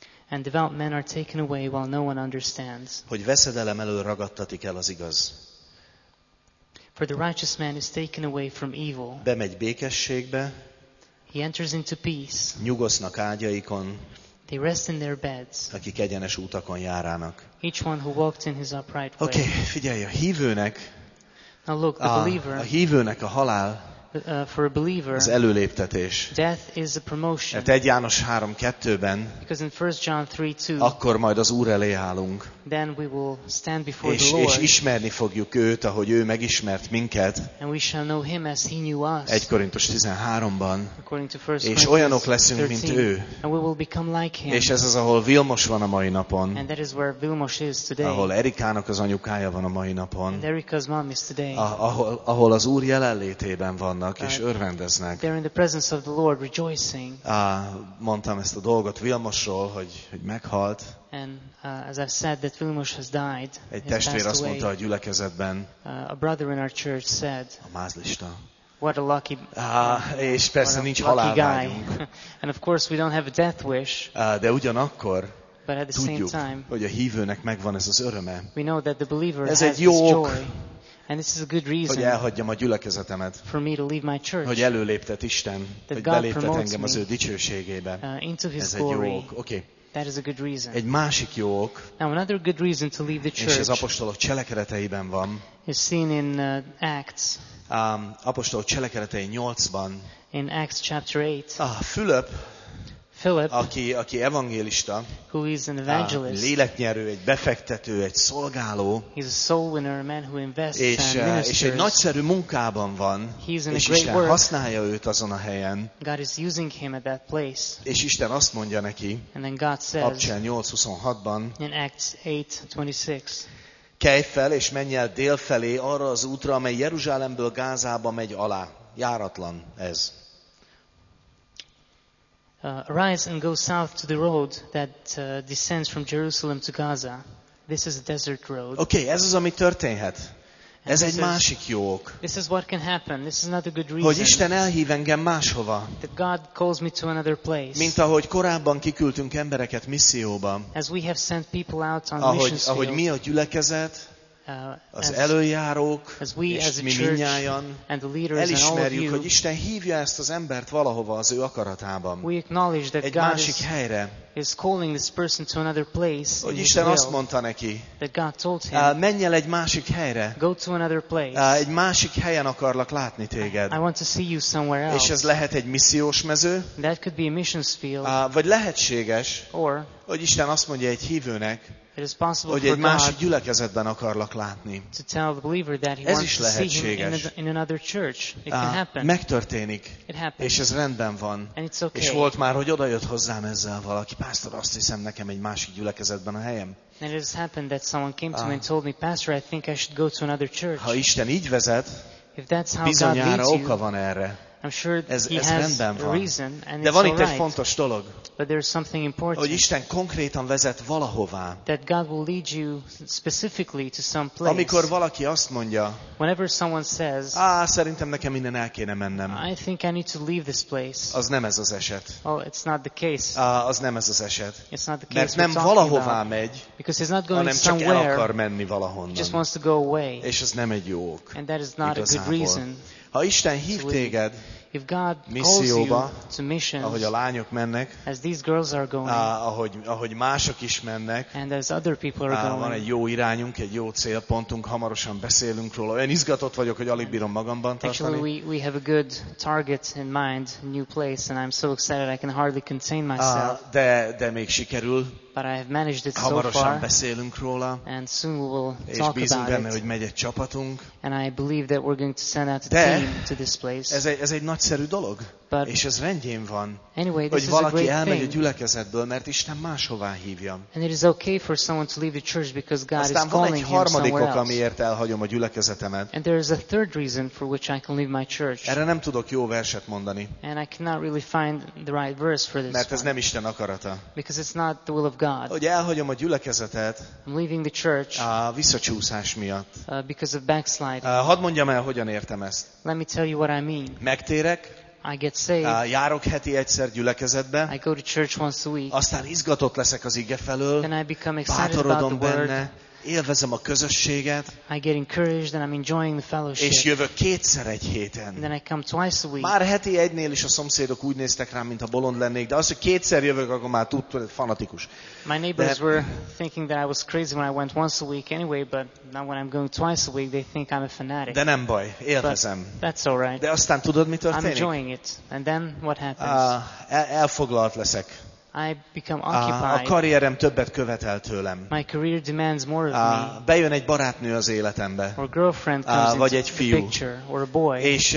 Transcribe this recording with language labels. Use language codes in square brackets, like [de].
[en] And devout men are taken away while no one understands. [hu] Hogy veszedelem elől ragadtatik el az igaz. [en] For the righteous man is taken away from evil. [hu] Bemegy békességbe. [en] He enters into peace. [hu] Nyugosznak ágyaikon. [en] They rest in their beds. [hu] Akik egyenes útakon járának. [en] Each one who walked in his upright way. [hu] Okay, figyelj, a hívőnek. [en] Now look, the believer, [hu] a hívőnek a halál [en] for a believer, [hu] az előléptetés. [en] Death is a promotion. [hu] Mert 1 János 3.2-ben akkor majd az Úr elé állunk, [en] then we will stand before [hu] és, [en] the Lord, [hu] és ismerni fogjuk őt, ahogy ő megismert minket. [en] And we shall know him as he knew us, [hu] 1 Korintus 13-ban [en] according to 1 Corinthians [hu] és olyanok leszünk, 13, mint ő. [en] And we will become like him. [hu] És ez az, ahol Vilmos van a mai napon. [en] And that is where Vilmos is today. [hu] Ahol Erikának az anyukája van a mai napon. [en] And Erika's mom is today. [hu] Ahol az Úr jelenlétében van. És örvendeznek. [en] They're in the presence of the Lord rejoicing. [hu] Mondtam ezt a dolgot Vilmosról, hogy meghalt. [en] And as I've said that Vilmos has died. [hu] Egy testvér azt mondta a gyülekezetben. [en] A brother in our church said. [hu] A mázlista. [en] What a lucky. [hu] És persze nincs halálvágyunk. [en] And of course we don't have a death wish. [hu] De ugyanakkor. [en] But at the [hu] tudjuk, [en] same time. [hu] Hogy a hívőnek megvan ez az öröme. [en] We know that the believer [hu] ez [en] has [hu] egy jó [en] this [hu] ok. [en] Joy. And this is a good reason, [hu] hogy elhagyjam a gyülekezetemet, [en] for me to leave my church, [hu] hogy előléptet Isten, hogy [en] God [hu] beléptet engem az ő dicsőségébe. [en] Into his [hu] ez [en] glory. [hu] Egy jó ok. Okay. [en] That is a good reason. [hu] Egy másik jó ok, [en] now, another good reason to leave the church, [hu] és az apostolok cselekedeteiben van, [en] is seen in Acts. [hu] Apostolok cselekedetei 8-ban. [en] In Acts chapter 8. [hu] Philip, aki evangélista, [en] who is an evangelist, [hu] léleknyerő, egy befektető, egy szolgáló, [en] he's a soul winner, a man who invests [hu] és egy nagyszerű munkában van, [en] he's in [hu] és [en] a great [hu] Isten [en] work. [hu] Használja őt azon a helyen, [en] God is using him at that place. [hu] És Isten azt mondja neki, [en] and then God says, [hu] Apcsel 8.26-ban, [en] in Acts 8.26, [hu] kelj fel és menj el dél felé arra az útra, amely Jeruzsálemből Gázába megy alá. Járatlan ez. [en] Arise and go south to the road that descends from Jerusalem to Gaza. This is a desert road. [hu] Okay, ez az, ami történhet. Ez egy másik jó ok. [en] This is what can happen. This is another good reason. [hu] Hogy Isten elhív engem máshova. [en] That God calls me to another place. [hu] Mint ahogy korábban kiküldtünk embereket misszióba. [en] As we have sent people out on [hu] ahogy mi a gyülekezet, az előjárók, és mi mindnyájan elismerjük, hogy Isten hívja ezt az embert valahova az ő akaratában. Egy másik helyre. [en] Is calling this person to another place. [hu] Hogy Isten azt mondta neki, [en] that God told him, [hu] menj el egy másik helyre. [en] Go to another place. [hu] Egy másik helyen akarlak látni téged. [en] I want to see you somewhere else. [hu] És ez lehet egy missziós mező. [en] That could be a missions field. [hu] Vagy lehetséges, [en] or, [hu] hogy Isten azt mondja egy hívőnek, [en] it is possible [hu] hogy egy másik gyülekezetben akarlak látni. [en] To tell the believer that he [hu] ez [en] wants [hu] is lehetséges. [en] In another church. It can happen. [hu] Megtörténik. [en] It happens. [hu] És ez rendben van. [en] And it's okay. [hu] És volt már, hogy odajött hozzám ezzel valaki. Pásztor, azt hiszem, nekem egy másik gyülekezetben a helyem. [en] And it has happened that someone came to me and told me, Pastor, I think I should go to another church. [hu] Ha Isten így vezet, [en] if that's how [hu] bizonyára [en] God [hu] oka van erre. [en] I'm sure [hu] ez [en] has [hu] rendben van. [en] A reason, and [hu] de [en] it's [hu] van [en] all [hu] itt egy fontos dolog. [en] But there is something important. [hu] Hogy Isten konkrétan vezet valahová. [en] That God will lead you specifically to some place. [hu] Amikor valaki azt mondja, [en] whenever someone says, [hu] szerintem nekem innen el kéne mennem. [en] I think I need to leave this place. [hu] Az nem ez az eset. [en] Oh, it's not the case. [hu] Az nem ez az eset. [en] It's not the case. [hu] Mert nem valahová [en] about, [hu] megy. [en] Because he's not going [hu] hanem [en] somewhere. [hu] Csak el akar menni valahonnan. [en] Just wants to go away. [hu] És ez nem egy jó ok. [en] And that is not [hu] igazából. [en] A good reason. [hu] Ha Isten hív téged [en] if God [hu] misszióba, [en] calls you to missions, [hu] ahogy a lányok mennek, [en] as these girls are going, [hu] ahogy mások is mennek, [en] and as other people are going, [hu] van egy jó irányunk, egy jó célpontunk, hamarosan beszélünk róla. Olyan izgatott vagyok, hogy alig bírom magamban tartani. [en] Actually, we have a good target in mind, new place, and I'm so excited I can hardly contain myself. [hu] De még sikerül. [en] But I have managed it [hu] hamarosan [en] so far. [hu] Beszélünk róla. [en] And soon we will talk about it. [hu] És bízunk benne, hogy megy egy csapatunk. [en] And I believe that we're going to send out a [hu] de [en] team to this place. [hu] Ez egy nagy egyszerű dolog, [en] but [hu] és ez rendjén van, [en] anyway, [hu] hogy valaki elmegy a gyülekezetből, mert Isten máshová hívja. [en] And it is okay for someone to leave the church because God [hu] aztán [en] is calling him somewhere else. [hu] Harmadik ok, amiért elhagyom a gyülekezetemet. [en] And there is a third reason for which I can leave my church. [hu] Erre nem tudok jó verset mondani. [en] And I cannot really find the right verse for this. [hu] Mert ez nem Isten akarata. [en] Because it's not the will of God. [hu] Hogy elhagyom a gyülekezetet. [en] I'm leaving the church. [hu] A visszacsúszás miatt. [en] Because of backsliding. [hu] Hadd mondjam el, hogyan értem ezt. [en] Let me tell you what I mean. [hu] Megtérek. [en] I get saved. [hu] Járok heti egyszer gyülekezetbe. [en] I go to church once a week. [hu] Aztán izgatott leszek az ige felől. [en] Then I become excited about the word. [hu] Bátorodom benne. Élvezem a közösséget. [en] I get encouraged and I'm enjoying the fellowship. [hu] És jövök kétszer egy héten. [en] Then I come twice a week. [hu] Már heti egynél is a szomszédok úgy néztek rám, mint a bolond lennék, de az, hogy kétszer jövök, akkor már tudtad, hogy fanatikus. [en] My neighbors were thinking that I was crazy when I went once a week anyway, but now when I'm going twice a week, they think I'm a fanatic. [hu] De nem baj, élvezem. [en] But that's all right. [hu] De aztán tudod, mi történik? [en] I'm enjoying it. And then what happens? [hu] Elfoglalt leszek. [en] I become occupied. [hu] A karrierem többet követel tőlem. [en] My career demands more of me. [hu] Bejön egy barátnő az életembe. [en] Or girlfriend comes [hu] vagy egy fiú. [en] Into the picture, or a boy.